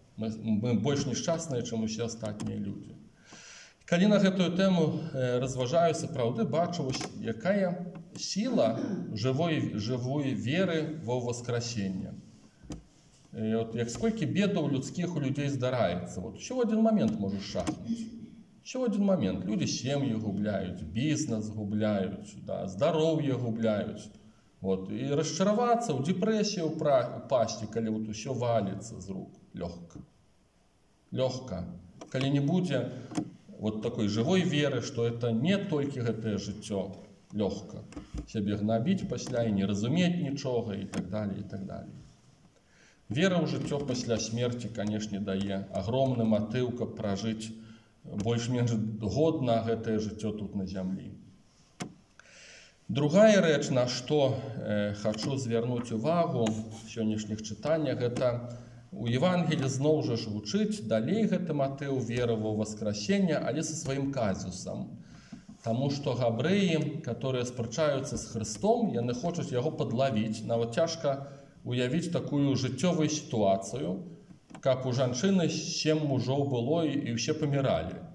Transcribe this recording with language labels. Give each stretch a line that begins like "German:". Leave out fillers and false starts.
Belarusian: Мы больш няшчасныя, чым усе астатнія людзі. Калі на гэтую тэму разважаю, сапраўды бачу, якая сіла жывой веры ва ўваскрасенне. От як скольки бедаў людскіх у людзей здараецца. Вот ўсё ў адзін момент можаш шахнуць.
Ukrainian: Ще один момент. Люди сім'ї губляють, бізнес губляють, да, здоров'я губляють. От. І розчаруватися, у депресію впасти, коли от усе валиться з рук. Легко. Легко. Коли не буде от такої живої віри, що це не тільки це життя. Легко. Себе гнобити після і не розуміти нічого і так далі, і так далі. Віра в життя після смерті, звісно, дає огромний мотив, щоб прожити больш-менш
Belarusian: годна гэтае жыццё тут на зямлі. Другая рэч, на што хачу звярнуць увагу в сённяшніх чытаннях, гэта ў Евангелі зноў жа ж гучыць далей гэты матыў веры ва ўваскрасенне, але са сваім казусам. Таму што габрэі, каторыя спрачаюцца з Хрыстом, яны хочуць яго падлавіць, нават цяжка уявіць такую жыццёвую сітуацыю, каб у жанчыны сем мужоў было і ўсе паміралі.